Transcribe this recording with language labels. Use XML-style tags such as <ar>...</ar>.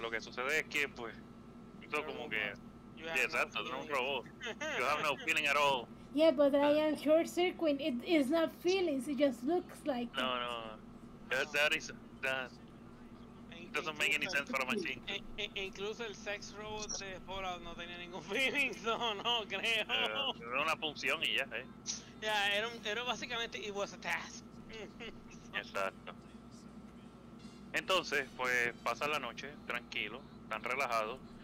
<es>Lo que sucede es que, pues, yo como que. Exacto, no es un robot.</es> <en>You have no feeling at all. Yeah, but I am short circuit. It is not feelings. It just looks like. No, it. No. That doesn't make any sense for a machine.</en> <es>Incluso el sex robot de Fallout no tenía ningún feeling. No, creo. Era una función y ya, ¿eh? Ya,</es> <en>yeah,</en> <es>era básicamente.</es> <en>It was a task.</en> <es>Exacto. Entonces, pues pasa la noche tranquilo, tan relajado.</es>